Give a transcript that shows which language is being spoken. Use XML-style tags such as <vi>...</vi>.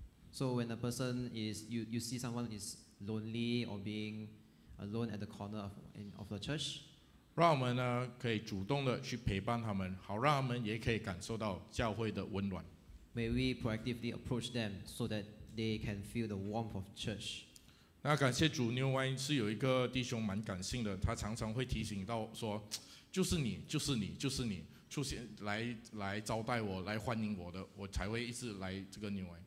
<en>，So when a person is you see someone is lonely or being alone at the corner of the church,</en> <zh>让我们呢可以主动的去陪伴他们，好让他们也可以感受到教会的温暖。</zh> <en>May we proactively approach them so that they can feel the warmth of church.</en> <zh>那感谢主，另外是有一个弟兄蛮感性的，他常常会提醒到说，就是你出现来招待我，来欢迎我的，我才会一直来这个另外。</zh>